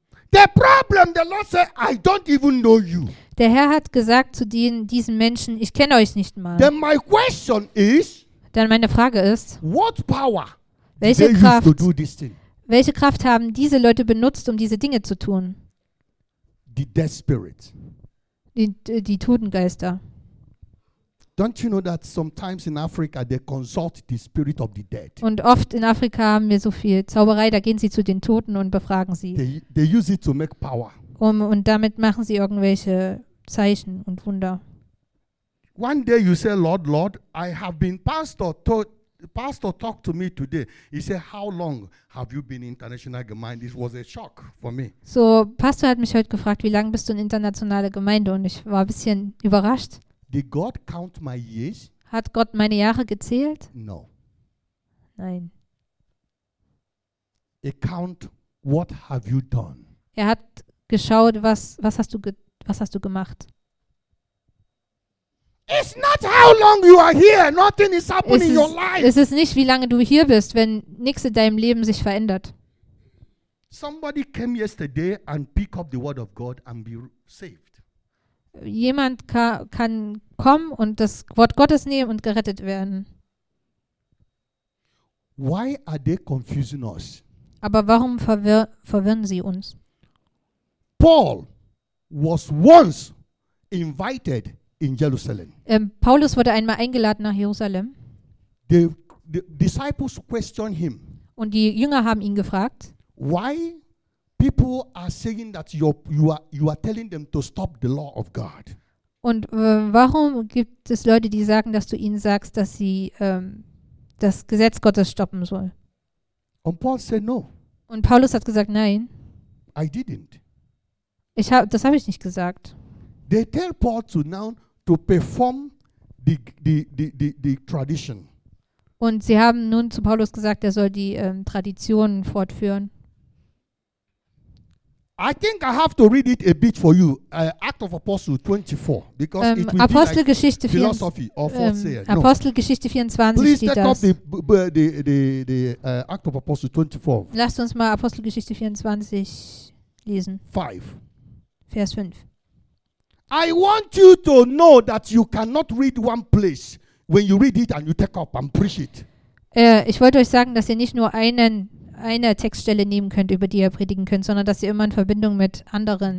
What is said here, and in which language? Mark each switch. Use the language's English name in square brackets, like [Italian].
[English] them, the Lord said, I don't even know you. [German] Der Herr hat gesagt zu diesen Menschen, ich kenne euch nicht mal. [English] Then my question is, [German] dann meine Frage ist, [English] what power [German] welche Kraft, [English] they used to do this thing? [German] Welche Kraft haben diese Leute benutzt, um diese Dinge zu tun? [English] The dead spirit. [German] Die Totengeister. [English] Don't you know that sometimes in Africa they consult the spirit of the dead? [German] Und oft in Afrika haben wir so viel Zauberei, da gehen sie zu den Toten und befragen sie. [English] They use it to make power. [German] Und damit machen sie irgendwelche Zeichen und Wunder. [English] One day you say, Lord, I have been pastor talked to me today. He said, how long have you been in international Gemeinde? This was a shock for me. [German] So, Pastor hat mich heute gefragt, wie lange bist du in internationaler Gemeinde? Und ich war ein bisschen überrascht. [English] Did God count my years? [German] Hat Gott meine Jahre gezählt? [English] No. [German] Nein. [English] He count what have you done? [German] Er hat geschaut, was hast du gemacht? [English] It's not how long you are here. Nothing is happening in your life. [German] Es ist nicht, wie lange du hier bist, wenn nichts in deinem Leben sich verändert. [English] Somebody came yesterday and pick up the word of God and be saved. [German] Jemand kann kommen und das Wort Gottes nehmen und gerettet werden. [English] Why are they confusing us? [German] Aber warum verwirren sie uns? [English] Paul was once invited in Jerusalem. [German] Paulus wurde einmal eingeladen nach Jerusalem. [English] The disciples questioned him. [German] Und die Jünger haben ihn gefragt. [English] Why? People are saying that you are telling them to stop the law of God. [German] Und warum gibt es Leute, die sagen, dass du ihnen sagst, dass sie das Gesetz Gottes stoppen soll? [English] And Paul said no. [German] Und Paulus hat gesagt, nein. [English] I didn't. [German] Das habe ich nicht gesagt. [English] They tell Paul to now to perform the tradition. [German] Und sie haben nun zu Paulus gesagt, er soll die Tradition fortführen. [English] I think I have to read it a bit for you. Acts of Apostles 24, because it will [German] Apostelgeschichte [English] be like philosophy or foreseeing. [German] Apostelgeschichte 24. [English] Please [German] steht [English] take [German] das. [English] Up the Acts of Apostles 24. [German] Lasst uns mal Apostelgeschichte 24 lesen. [English] 5. [German] Vers 5. [English] I want you to know that you cannot read one place when you read it and you take up and preach it. [German] Ich wollte euch sagen, dass ihr nicht nur eine Textstelle nehmen könnt, über die ihr predigen könnt, sondern dass ihr immer in Verbindung mit anderen.